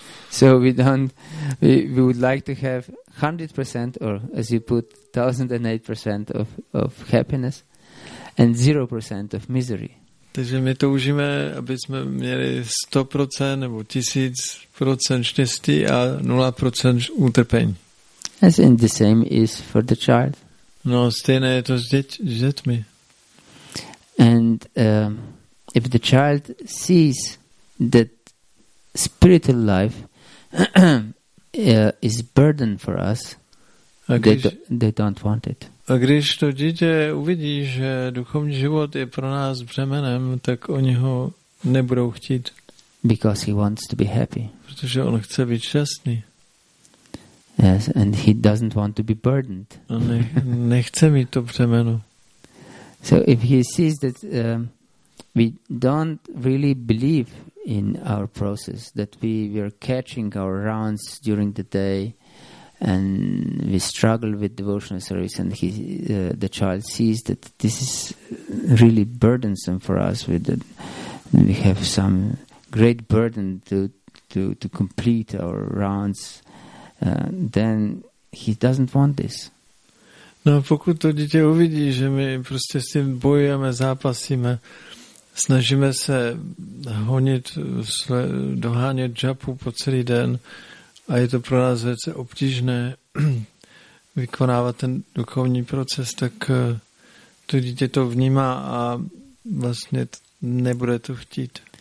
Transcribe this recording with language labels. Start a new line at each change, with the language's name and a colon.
English: So we would like to have 100% or as you put 1008% of happiness and 0% of misery.
Czech: Takže my toužíme, aby jsme měli 100% nebo 1000% štěstí a 0% utrpení.
English: As in the same is for the child.
Czech: No, stejné je to s dětmi.
English: And if the child sees that spiritual life is burden for us, they don't want it.
Czech: A když to dítě uvidí, že duchovní život je pro nás břemenem, tak oni ho nebudou chtít.
English: Because he wants to be happy.
Czech: Protože on chce být šťastný.
English: Yes, and he doesn't want to be burdened.
Czech: On nechce mít to břemeno.
English: So if he sees that we don't really believe in our process, that we are catching our rounds during the day, and we struggle with devotional service, and the child sees that this is really burdensome for us. We have some great burden to complete our rounds. Then he doesn't want this.
Czech: No, pokud to dítě uvidí, že my prostě s tím bojujeme, zápasíme, snažíme se honit, dohánět japu po celý den, a je to pro nás velice obtížné vykonávat ten duchovní proces, tak to dítě to vnímá a vlastně nebude to chtít.